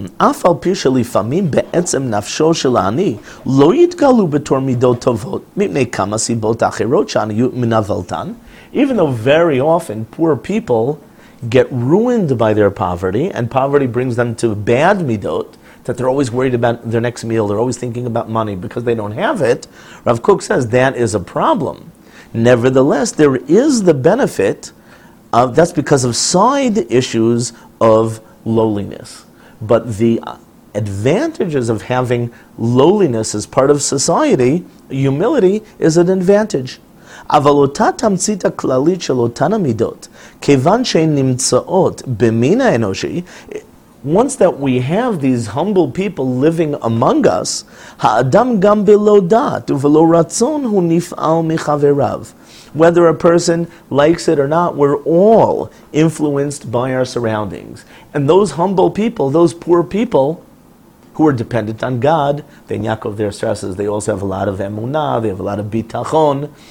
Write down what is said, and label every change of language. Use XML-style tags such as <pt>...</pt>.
<he>אף על פי שלפעמים בעצם נפשו של העני לא יתגלו בתור מידות טובות, מפני כמה סיבות אחרות שאני מנבלתן.</he> <en>Even though very often poor people get ruined by their poverty, and poverty brings them to bad midot, that they're always worried about their next meal, they're always thinking about money because they don't have it, Rav Kook says that is a problem. Nevertheless, there is the benefit of, that's because of side issues of lowliness. But the advantages of having lowliness as part of society, humility, is an advantage.</en> <he>אבל אותה תמצית הכללית של אותן המידות, כיוון שהן נמצאות במין האנושי,</he> <en>once that we have these humble people living among us,</en> <he>האדם גם בלא דעת ובלא רצון הוא נפעל מחבריו.</he> <en>Whether a person likes it or not, we're all influenced by our surroundings. And those humble people, those poor people, who are dependent on God, then Yaakov, their stresses, they also have a lot of emunah, they have a lot of bitachon.</en>